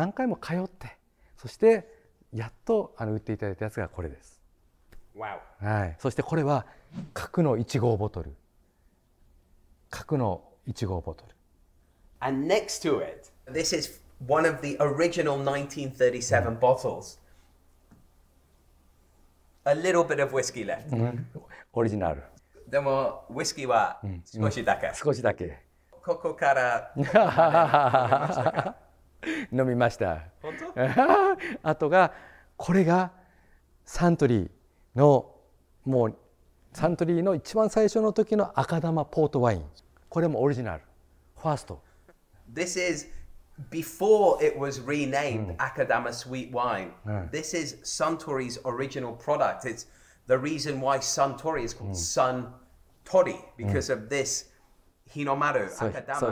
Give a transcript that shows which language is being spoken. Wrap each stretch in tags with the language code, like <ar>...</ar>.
<ja>酒屋さんの、戦前からしているオーナーが持ってたやつを頭を下げて、もう何回も何回も通って、そして やっと売っていただいたやつがこれです。</ja> <en>Wow.</en> <ja>そしてこれは核の1号ボトル。</ja> <en>And next to it, this is one of the original 1937 bottles. A little bit of whiskey left.</en> <ja>オリジナル。でもウイスキーは少しだけ。ここから… 飲みました。本当? あとが… これがサントリーの一番最初の時の赤玉ポートワイン。これもオリジナル。ファースト。</ja> <en>This is before it was renamed Akadama Sweet Wine. This is Suntory's original product. It's the reason why Suntory is called Suntory because of this Hinomaru Akadama.</en>